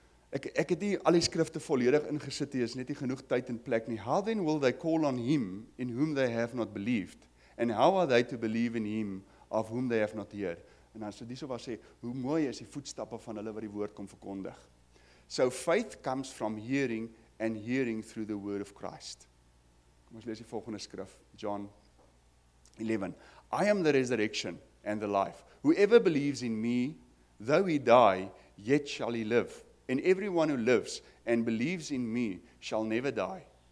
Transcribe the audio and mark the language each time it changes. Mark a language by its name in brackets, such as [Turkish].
[Afrikaans] Ek het nie al die skrifte volledig ingesit nie, is net nie genoeg tyd en plek nie. [English] How then will they call on him in whom they have not believed? And how are they to believe in him of whom they have not heard? [Afrikaans] En as die so wat sê, hoe mooi is die voetstappe van hulle wat die woord kom verkondig. [English] So faith comes from hearing and hearing through the word of Christ. [Afrikaans] Kom ons lees die volgende skrif, John 11. [English] I am the resurrection and the life. Whoever believes in me, though he die, yet shall he live. And everyone who lives and believes in me shall never die.